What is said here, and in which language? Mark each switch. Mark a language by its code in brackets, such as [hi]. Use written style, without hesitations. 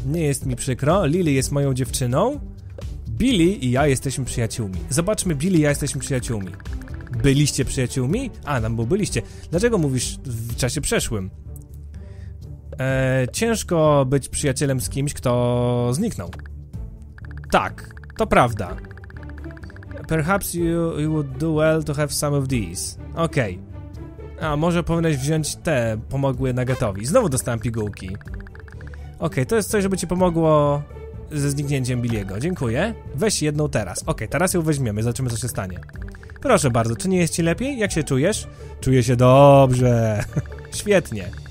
[pl] Nie jest mi przykro, Lily jest moją dziewczyną. Billy i ja jesteśmy przyjaciółmi. Zobaczmy, Billy i ja jesteśmy przyjaciółmi. Byliście przyjaciółmi? Tam był byliście. Dlaczego mówisz w czasie przeszłym? Ciężko być przyjacielem z kimś, kto zniknął. Tak, to prawda. [en] Perhaps you would do well to have some of these. [pl] Okej. Okay. A może powinieneś wziąć te, pomogły Nuggetowi. Znowu dostałem pigułki. Okej, to jest coś, żeby ci pomogło... ze zniknięciem Billy'ego. Dziękuję. Weź jedną teraz. Okej, teraz ją weźmiemy. Zobaczymy, co się stanie. Proszę bardzo, czy nie jest ci lepiej? Jak się czujesz? Czuję się dobrze. Świetnie.